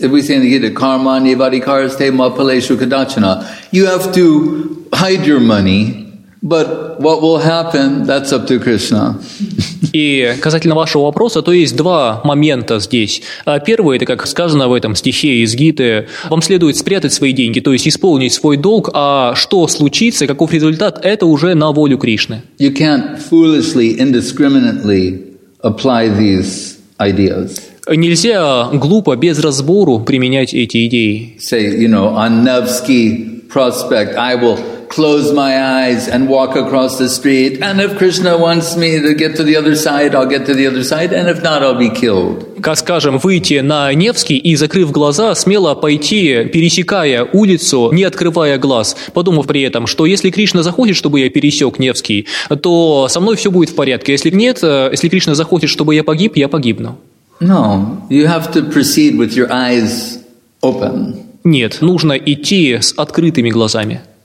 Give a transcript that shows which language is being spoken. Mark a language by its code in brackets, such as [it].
[en] If we say in the Gita, [sa] karma, nivadikaraste, mapaleshu kadachana, [en] you have to hide your money, but what will happen, that's up to Krishna. [ru] И касательно вашего вопроса, то есть два момента здесь. Первый, это как сказано в этом стихе из Гиты, вам следует спрятать свои деньги, то есть исполнить свой долг, а что случится, каков результат, это уже на волю Кришны. [en] You can't foolishly, indiscriminately apply these ideas. [ru] Нельзя глупо, без разбору применять эти идеи. [en] Say, on Nevsky Prospect, I will close my eyes and walk across the street. And if Krishna wants me to get to the other side, I'll get to the other side. And if not, I'll be killed. [ru] Как скажем, выйти на Невский и, закрыв глаза, смело пойти, пересекая улицу, не открывая глаз, подумав при этом, что если Кришна захочет, чтобы я пересек Невский, то со мной все будет в порядке. Если нет, если Кришна захочет, чтобы я погиб, я погибну. [en] No, you have to proceed with your eyes open. [ru] Нет, нужно идти с открытыми глазами.